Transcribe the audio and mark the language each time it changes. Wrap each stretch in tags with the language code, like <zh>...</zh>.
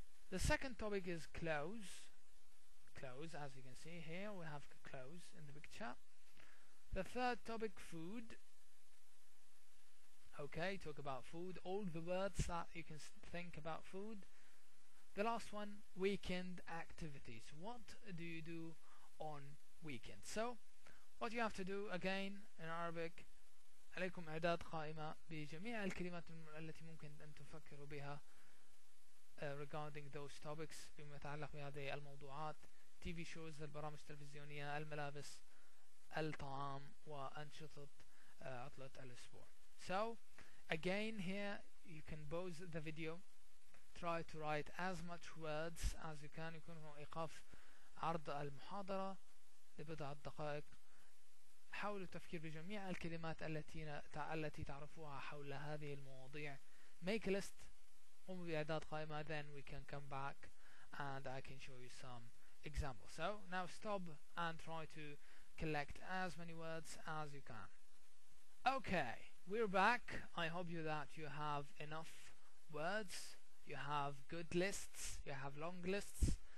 <en>The second topic is clothes, as you can see here, we have clothes in the picture. The third topic, food. Okay, talk about food, all the words that you can think about food. The last one, weekend activities. What do you do on weekends? So, what you have to do again in Arabic,</en> <ar>عليكم إعداد قائمة بجميع الكلمات التي ممكن أن تفكروا بها</ar> <en>regarding those topics,</en> <ar>بما يتعلق بهذه الموضوعات,</ar> <en>TV shows,</en> <ar>البرامج التلفزيونية, الملابس, الطعام وأنشطة عطلة الأسبوع.</ar> <en>So, again here, you can pause the video, try to write as much words as you can.</en> <ar>يكون إيقاف عرض المحاضرة لبضع دقائق. حاولوا التفكير بجميع الكلمات التي تعرفوها حول هذه المواضيع.</ar> <en>Make a list.</en> <ar>قموا بإعداد قائمة.</ar> <en>Then we can come back and I can show you some examples. So, now stop and try to collect as many words as you can. Okay, we're back. I hope you that you have enough words, you have good lists, you have long lists.</en>